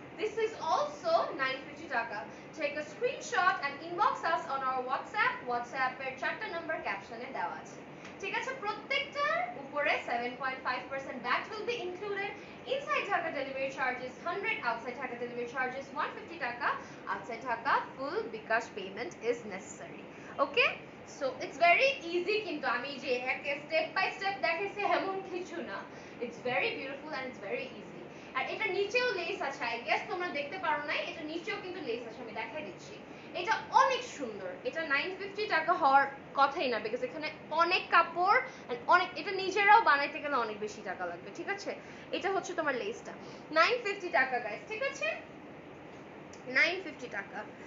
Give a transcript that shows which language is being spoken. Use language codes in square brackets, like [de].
[en] This is also 950 taka. Take a screenshot and inbox us on our WhatsApp. [bn] WhatsApp এর চারটা number ক্যাপশনে দেওয়া আছে, ঠিক আছে? প্রত্যেকটার উপরে [en] 7.5% VAT will be included. Inside Dhaka delivery charges 100, outside Dhaka delivery charges 150 taka. Outside Dhaka full bikash payment is necessary. Okay? So it's very easy [bn] কিন্তু আমি যে একে step by step দেখাইছি এমন কিছু না. [en] It's very beautiful and it's very easy. [bn] আর এটা নিচেও লেস আছে, [en] I guess [bn] তোমরা দেখতে পারো নাই, এটা নিচেও কিন্তু লেস আছে, আমি দেখাই দিচ্ছি, এটা অনেক সুন্দর, এটা 950 টাকা হওয়ার কথাই না, বিকজ এখানে অনেক কাপড় অনেক, এটা নিজেরাও বানাইতে গেলে অনেক বেশি টাকা লাগবে, ঠিক আছে? এটা হচ্ছে তোমার লেসটা 950 টাকা গাইস, ঠিক আছে? 950 টাকা।